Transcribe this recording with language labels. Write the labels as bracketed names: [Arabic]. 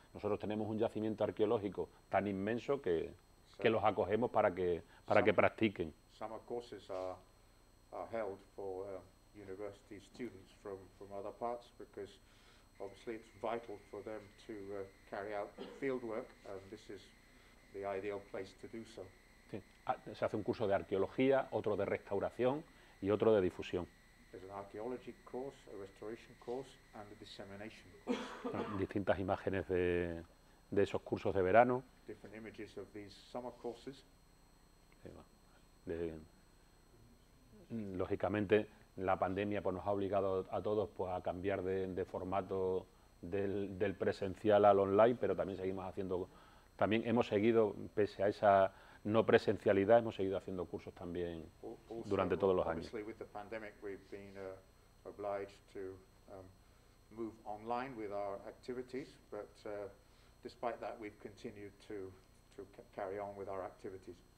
[Spanish] Nosotros tenemos un yacimiento arqueológico tan inmenso que los acogemos para que practiquen. [English] Summer courses are held for university students from other parts because obviously it's vital for them to carry out field work and this is the ideal place to do so. [Spanish] Sí. Se hace un curso de arqueología, otro de restauración y otro de difusión. [English] There's an archaeology course, a restoration course, and a dissemination course. [Spanish] Distintas imágenes de, de esos cursos de verano. [English] Different images of these summer courses. [Spanish] Lógicamente, la pandemia pues, nos ha obligado a todos pues, a cambiar de formato del presencial al online, pero también seguimos haciendo, también hemos seguido, pese a esa no presencialidad, hemos seguido haciendo cursos también durante todos los años. [English] With the pandemic, we've been obliged to move online with our activities, but despite that, we've continued to carry on with our activities.